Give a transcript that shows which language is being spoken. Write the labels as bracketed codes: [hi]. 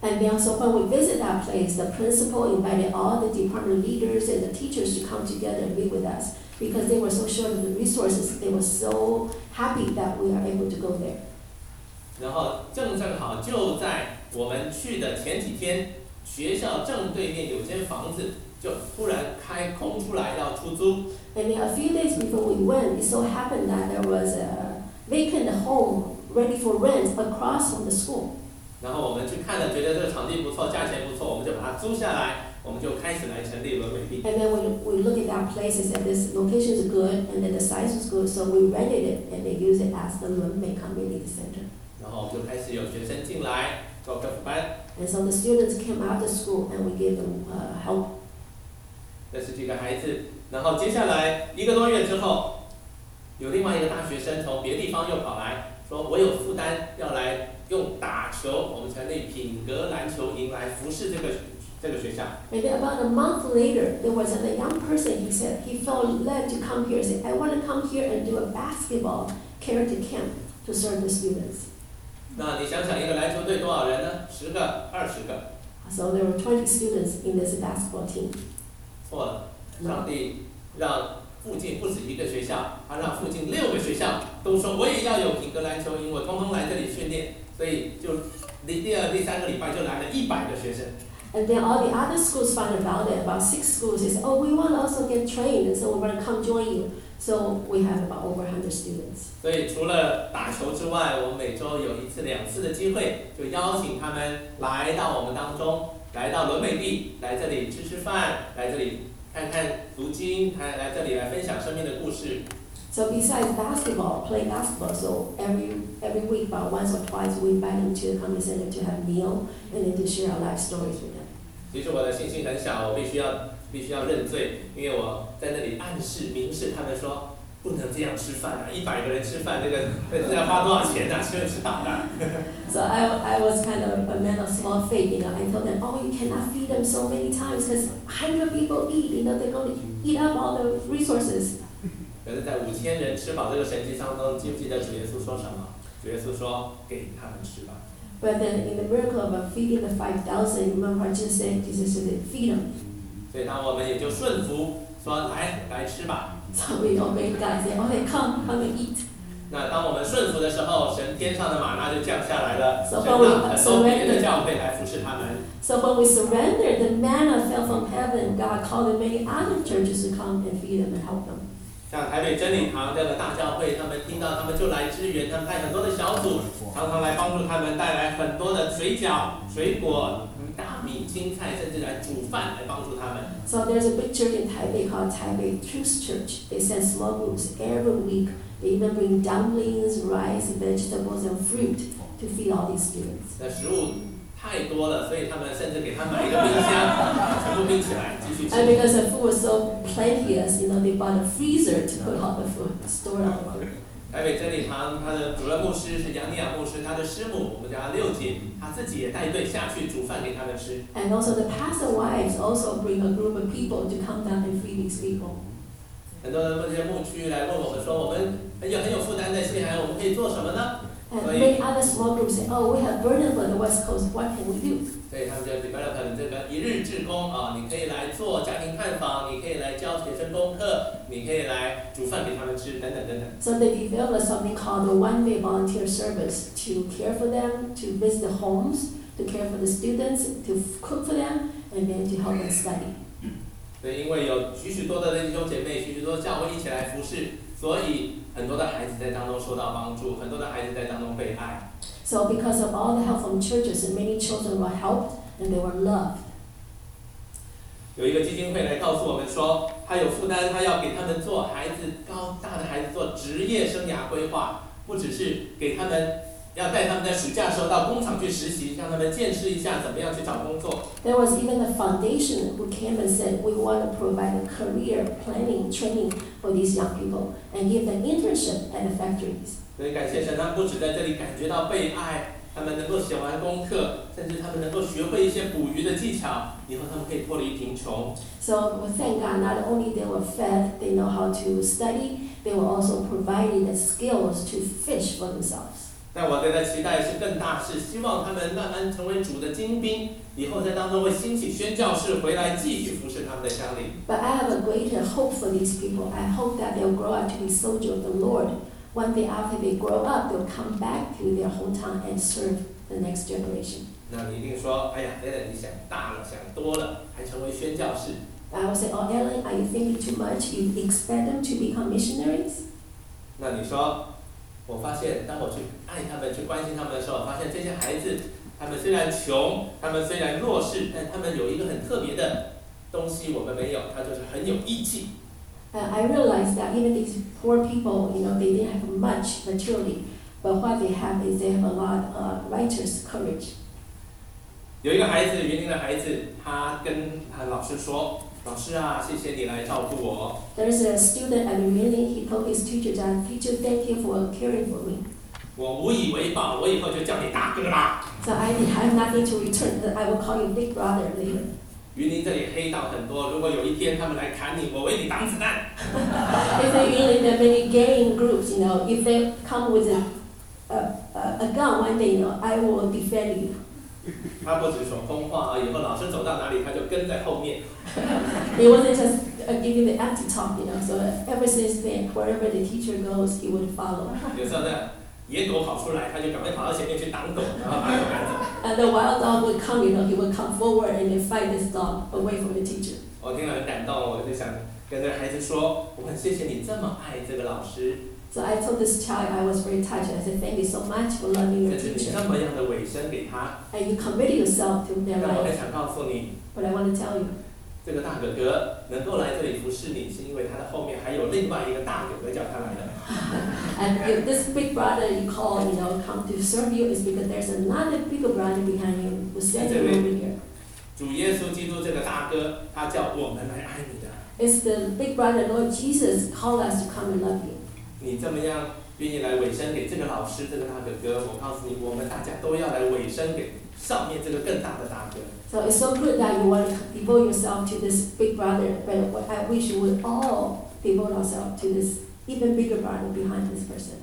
[en] And then, so when we visit that place, the principal invited all the department leaders and the teachers to come together and meet with us because they were so short of the resources. They were so happy that we are able to go there. [zh] 然后正好就在我们去的前几天，学校正对面有间房子就突然开空出来要出租。 [en] And then a few days before we went, it so happened that there was a vacant home ready for rent across from the school. [zh] 然后我们去看了，觉得这个场地不错，价钱不错，我们就把它租下来，我们就开始来成立伦美地。 [en] And then we look at that place and said this location is good and then the size is good, so we rented it and they use it as the 伦美 Community Center. [zh] 然后就开始有学生进来做客服班。 [en] And so the students came out of school and we gave them help. [zh] 这是几个孩子，然后接下来一个多月之后，有另外一个大学生从别地方又跑来说，我有负担要来用打球，我们成立品格篮球营来服侍这个学校。 [en] And then about a month later, there was a young person. He said he felt led to come here. Said I want to come here and do a basketball charity camp to serve the students. [zh] 那你想想，一个篮球队多少人呢？十个、二十个。 [en] So there were 20 students in this basketball team. [zh] 错了，上帝让附近不止一个学校，他让附近六个学校都说我也要有品格篮球营，我通通来这里训练，所以就第三个礼拜就来了100个学生。 [en] And then all the other schools found about it. About 6 schools is, oh, we want to also get trained, so we're gonna come join you. So we have about over 100 students. [zh] 所以除了打球之外，我每周有一次、两次的机会，就邀请他们来到我们当中。来到伦美地，来这里吃饭，来这里看看读经，来这里来分享生命的故事。 [en] So besides basketball, play basketball, so every week about once or twice we invite them to the community center to have a meal and then to share our life stories with them. [zh] 其实我的信心很小，我必须要认罪，因为我在那里暗示明示他们说不能这样吃饭啊，100个人吃饭，这要花多少钱啊，吃不吃饱啊。 [en] So I was kind of a man of small faith, you know. I told them, oh, you cannot feed them so many times because 100 people eat, you know, they're going to eat up all the resources. [zh] 可是在5000人吃饱这个神迹当中，记不记得主耶稣说什么？主耶稣说给他们吃吧。 [en] But then in the miracle of feeding the 5,000, remember Jesus said, Jesus said, feed them. [zh] 所以当我们也就顺服说来吃吧。 [en] So we obey God, say, okay, come and eat. [zh] 那当我们顺服的时候，神天上的玛纳就降下来了，神让很多别的教会来服侍他们。 [en] So when we surrender, the manna fell from heaven, God called the many other churches to come and feed them and help them. [zh] 像台北真理堂这个大教会，他们听到他们就来支援，他们派很多的小组，常常来帮助他们，带来很多的水饺、水果、大米、青菜，甚至来煮饭来帮助他们。 [en] So there's a big church in Taipei called Taipei Truth Church. They send small groups every week. They even bring dumplings, rice, vegetables, and fruit to feed all these students. [zh] 那食物太多了，所以他们甚至给他买一个冰箱，全部冰起来，继续吃。 [en] And because the food was so plenteous, you know, they bought a freezer to put all the food, store all the food. [zh] 台北真理堂他的主任牧师是杨尼亚牧师，他的师母我们叫他六姐，他自己也带队下去煮饭给他们吃。 [en] And also the pastor wives also bring a group of people to come down and feed these people. [zh] 很多这些牧区来问我们说，我们很有负担在西海岸，我们可以做什么呢？ [en] And many other small groups say, oh, we have burden for the West Coast. What can we do? [zh] 所以他们就 develop 这个一日志工啊，你可以来做家庭探访，你可以来教学生功课，你可以来煮饭给他们吃，等等等等。 [en] So they developed something called the one-day volunteer service to care for them, to visit the homes, to care for the students, to cook for them, and then to help them study. [zh] 对，因为有许许多多的弟兄姐妹，许许多教会一起来服侍，所以很多的孩子在当中受到帮助，很多的孩子在当中被爱。 [en] So because of all the help from churches, many children were helped and they were loved. [zh] 有一个基金会来告诉我们说，他有负担，他要给他们做孩子高大的孩子做职业生涯规划，不只是给他们。要带他们在暑假的时候到工厂去实习，让他们见识一下怎么样去找工作。 [en] There was even a foundation who came and said, we want to provide a career planning training for these young people and give them internship at the factories. [zh] 所以感谢神，他们不止在这里感觉到被爱，他们能够写完功课，甚至他们能够学会一些捕鱼的技巧，以后他们可以脱离贫穷。 [en] So we thank God, not only they were fed, they know how to study, they were also provided the skills to fish for themselves. [zh] 但我对他期待是更大，是希望他们慢慢成为主的精兵，以后在当中会兴起宣教士回来继续服侍他们的乡里。 [en] But I have a greater hope for these people. I hope that they'll grow up to be soldiers of the Lord. One day after they grow up, they'll come back to their hometown and serve the next generation. [zh] 那你一定说，哎呀 ，Ellen， 你想大了，想多了，还成为宣教士。 [en] I will say, oh Ellen, are you thinking too much? You expect them to become missionaries? [zh] 那你说？我发现当我去爱他们去关心他们的时候，我发现这些孩子他们虽然穷，他们虽然弱势，但他们有一个很特别的东西我们没有，他就是很有义气。 [en] I realized that even these poor people, you know, they didn't have much maturity, but what they have is they have a lot of righteous courage. [zh] 有一个孩子，云林的孩子，他跟他老师说，老师啊，谢谢你来照顾我。 [en] There is a student at Millie. He told his teacher that teacher, thank you for caring for me. [zh] 我无以为报，我以后就叫你大哥啦。 [en] So I have nothing to return. I will call you big brother later. [zh] 云林这里黑道很多，如果有一天他们来砍你，我为你挡子弹。 [en] If they really have many gang groups, you know, if they come with a gun one day, you know, I will defend you. [zh] 他不只说空话啊，以后老师走到哪里，他就跟在后面。 [en] He wasn't just giving the empty talk, you know. So ever since then, wherever the teacher goes, he would follow. [zh] 有时候呢，野狗跑出来，他就赶快跑到前面去挡狗，然后把狗赶走。 [en] And the wild dog would come, you know. He would come forward and then fight this dog away from the teacher. [zh] 我听了很感动，我就想跟这孩子说，我很谢谢你这么爱这个老师。 [en] So I told this child I was very touched. I said, thank you so much for loving your teacher. [zh] 这么样的委身给他。 [en] And you committed yourself to their life. [zh] 但我很想告诉你。 [en] But I want to tell you. [zh] 这个大哥哥能够来这里服侍你，是因为他的后面还有另外一个大哥哥叫他来的。 [en] And if this big brother you call, you know, come to serve you, is because there's another bigger brother behind you who's standing over here. [zh] 主耶稣基督这个大哥，他叫我们来爱你的。 [en] It's the big brother Lord Jesus call us to come and love you. [zh] 你这么样愿意来委身给这个老师，这个大哥哥，我告诉你，我们大家都要来委身给上面这个更大的大哥。 [en] So it's so good that you want to devote yourself to this big brother, but I wish we would all devote ourselves to this even bigger brother behind this person.